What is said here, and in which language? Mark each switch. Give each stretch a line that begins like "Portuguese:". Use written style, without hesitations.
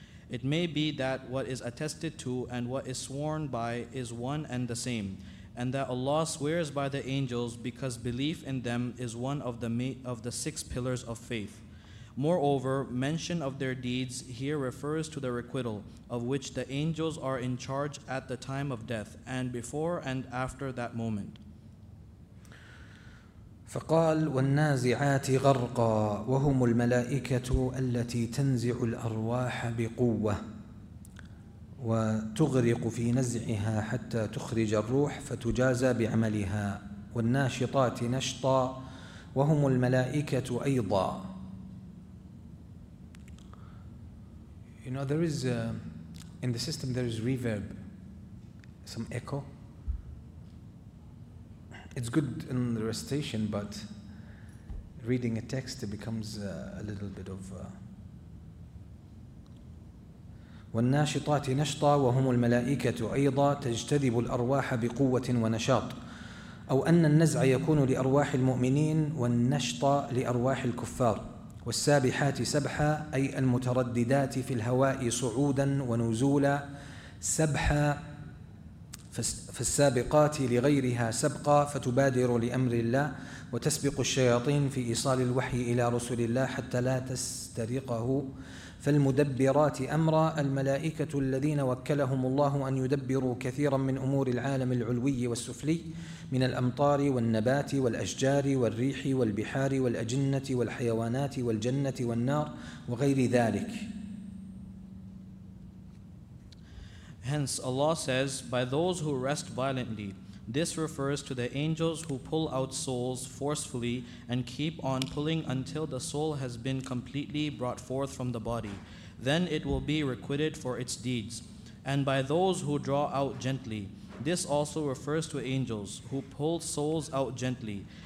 English: It may be that what is attested to and what is sworn by is one and the same, and that Allah swears by the angels because belief in them is one of the six pillars of faith. Moreover, mention of their deeds here refers to the requital, of which the angels are in charge at the time of death and before and after that moment.
Arabic: فقال والنازعات غرقا وهم الملائكة التي تنزع الأرواح بقوة وتغرق في نزعها حتى تخرج الروح فتجازى بعملها والناشطات نشطا وهم الملائكة أيضا.
English: You know, there is in the system there is reverb, some echo. It's good in the recitation, but reading a text, it becomes a little bit of
Arabic: والناشطات نشطا وهم الملائكة أيضا تجتذب الأرواح بقوة ونشاط أو أن النزع يكون لأرواح المؤمنين والنشط لأرواح الكفار والسابحات سبحا أي المترددات في الهواء صعودا ونزولا سبحا فالسابقات لغيرها سبقا فتبادر لأمر الله وتسبق الشياطين في إيصال الوحي إلى رسول الله حتى لا تسترقه فالمدبرات أمرا الملائكة الذين وكلهم الله أن يدبروا كثيرا من أمور العالم العلوي والسفلي من الأمطار والنبات والأشجار والريح والبحار والأجنة والحيوانات والجنة والنار وغير ذلك.
English: Hence Allah says, by those who rest violently, this refers to the angels who pull out souls forcefully and keep on pulling until the soul has been completely brought forth from the body. Then it will be requited for its deeds. And by those who draw out gently, this also refers to angels who pull souls out gently.